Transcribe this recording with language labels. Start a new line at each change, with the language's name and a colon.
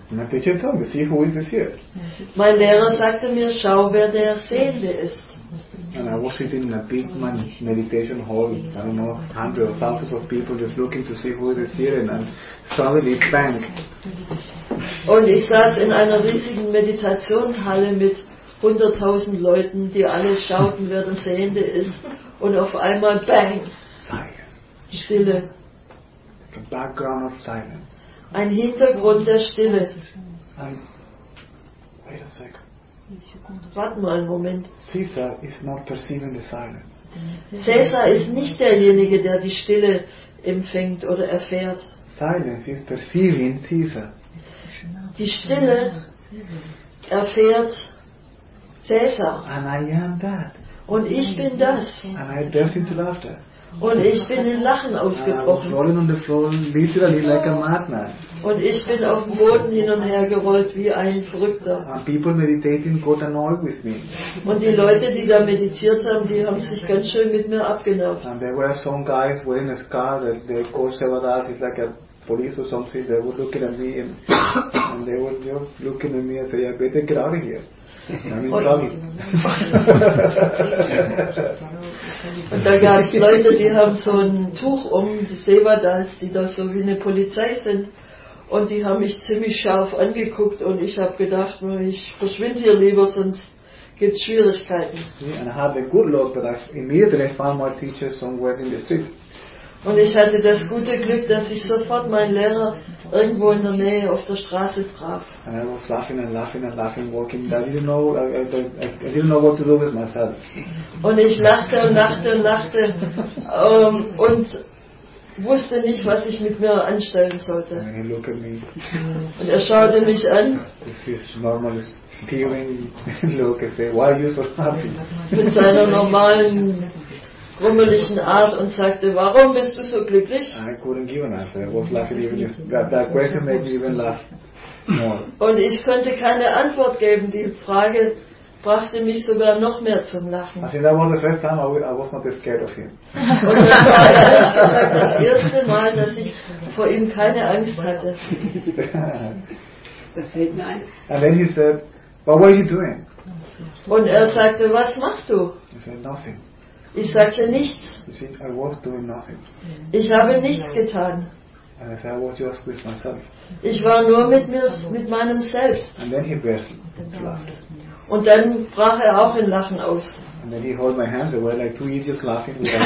English: My teacher told me, see who is this here.
German: Mein Lehrer sagte mir, schau, wer der Sehende ist.
English: And I was sitting in a big meditation hall, I don't know, hundreds or thousands of people just looking to see who is here, and suddenly bang.
German: Und ich saß in einer riesigen Meditationshalle mit 100.000 Leuten, die alle schauten, wer der Sehende ist, und auf einmal bang.
English: Silence.
German: Stille.
English: A background of silence.
German: Ein Hintergrund der Stille.
English: Wait a second.
German: Warte mal einen Moment.
English: Caesar is not perceiving the silence.
German: Caesar ist nicht derjenige, der die Stille empfängt oder erfährt.
English: Silence is perceiving Caesar.
German: Die Stille erfährt Caesar.
English: And I am that.
German: Und ich bin das.
English: And I burst into laughter.
German: Und ich bin in Lachen ausgebrochen.
English: I was rolling on the floor, literally like a madman.
German: Und ich bin auf dem Boden hin und her gerollt wie ein Verrückter.
English: And people meditating got annoyed with me.
German: Und die Leute, die da meditiert haben, die haben sich ganz schön mit mir abgenervt.
English: And there were some guys wearing a scarf that they called Sevadas, it's like a police or something. They were looking at me and they were just looking at me and saying, I better get out of here.
German: Und da gab es Leute, die haben so ein Tuch um, die Sevadas, die da so wie eine Polizei sind. Und die haben mich ziemlich scharf angeguckt und ich habe gedacht, ich verschwinde hier lieber, sonst gibt es Schwierigkeiten. Und ich hatte das gute Glück, dass ich sofort meinen Lehrer irgendwo in der Nähe auf der Straße traf.
English: And I was laughing and laughing and laughing, walking. I didn't know what to do with myself.
German: Und ich lachte und lachte und lachte und wusste nicht, was ich mit mir anstellen sollte.
English: And he looked at me.
German: Und er schaute mich an.
English: This is normal. Peering look and say, why are you so happy?
German: Mit seiner normalen rummeligen Art und sagte, warum bist du so glücklich?
English: I couldn't give an answer. I was laughing even just, that question made me even laugh more.
German: Und ich konnte keine Antwort geben. Die Frage brachte mich sogar noch mehr zum Lachen.
English: I think that was the first time I was not scared of him.
German: Und das war ehrlich gesagt das erste Mal, dass ich vor ihm keine Angst hatte. Das fällt mir ein.
English: And then he said, but what are you doing?
German: Und er sagte, was machst du?
English: He said, nothing.
German: Ich sagte nichts.
English: You see, I was doing nothing.
German: Ich habe nichts getan.
English: And I said, I was just with myself.
German: Ich war nur mit mir, mit meinem Selbst.
English: And then he burst in laughter.
German: Und dann brach er auch in Lachen aus.
English: And then he held my hand, there were like two idiots laughing.